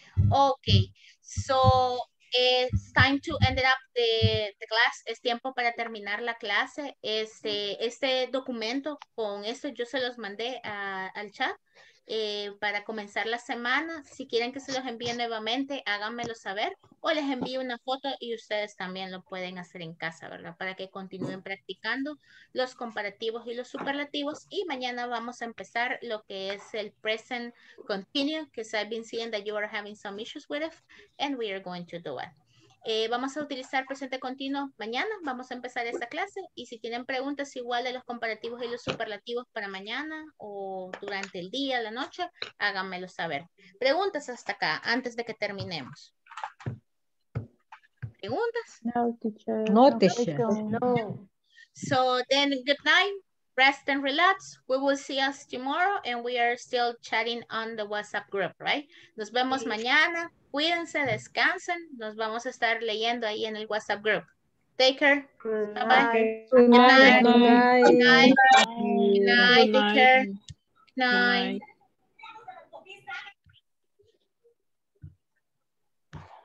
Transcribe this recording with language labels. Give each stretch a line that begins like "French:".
English: Okay, so it's time to end up the class.
Spanish: Es tiempo para terminar la clase. Este documento con esto yo se los mandé al chat para comenzar la semana. Si quieren que se los envíe nuevamente, háganmelo saber o les envío una foto y ustedes también lo pueden hacer en casa, ¿verdad? Para que continúen practicando los comparativos y los superlativos. Y mañana vamos a empezar lo que es el present continuous, que
English: I've been seeing that you are having some issues with it, and we are going to do it.
Spanish: Vamos a utilizar presente continuo mañana, vamos a empezar esta clase y si tienen preguntas igual de los comparativos y los superlativos para mañana o durante el día, la noche, háganmelo saber. ¿Preguntas hasta acá, antes de que terminemos? ¿Preguntas?
English: No, teacher. No, teacher. So then, good night, rest and relax. We will see us tomorrow and we are still chatting on the WhatsApp group, right?
Spanish: Nos vemos mañana. Cuídense, descansen. Nos vamos a estar leyendo ahí en el WhatsApp group.
English: Take care. Good bye night. Bye. Good night. Good night. Good night. Good night. Good night. Take care. Good night. Good night.